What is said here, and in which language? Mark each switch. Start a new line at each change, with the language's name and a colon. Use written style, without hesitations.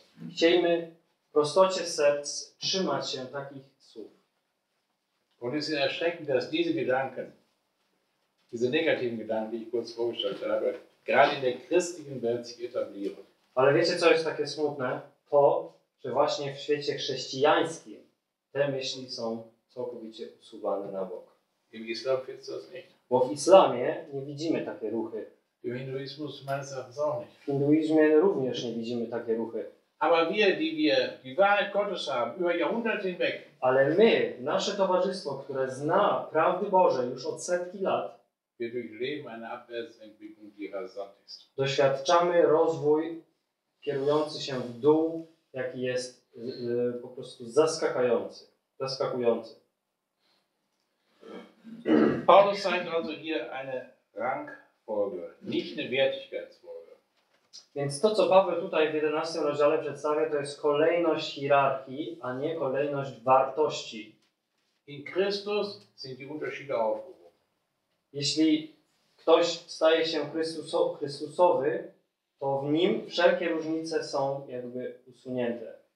Polish: Chcielibyśmy w prostocie serc trzymać się takich słów.
German: Und es ist erschreckend, dass diese Gedanken, diese negativen Gedanken, die ich kurz vorgestellt habe, gerade in der christlichen Welt sich etablieren.
Polish: Ale wiecie, co jest takie smutne? To, że właśnie w świecie chrześcijańskim te myśli są całkowicie usuwane na bok.
German: Im Islam findest du das nicht.
Polish: Bo w islamie nie widzimy takie ruchy.
German: Im Hinduismus meines Erachtens auch nicht.
Polish: W hinduizmie również nie widzimy takie ruchy.
German: Aber die Wahrheit Gottes haben, über Jahrhunderte hinweg.
Polish: Ale my, nasze towarzystwo, które zna prawdy Boże już od setki lat,
German: wir durchleben eine Abwärtsentwicklung, die rasant ist.
Polish: Doświadczamy rozwój kierujący się w dół, jaki jest po prostu zaskakujący.
German: Paulus zeigt also hier eine Rangfolge, nicht eine Wertigkeitsfolge.
Polish: Więc to, co Paweł tutaj w 11 rozdziale przedstawia, to jest kolejność hierarchii, a nie kolejność wartości.
German: In Christus sind die Unterschiede aufgehoben.
Polish: Jeśli ktoś staje się Chrystusowy, to w nim wszelkie różnice są jakby usunięte.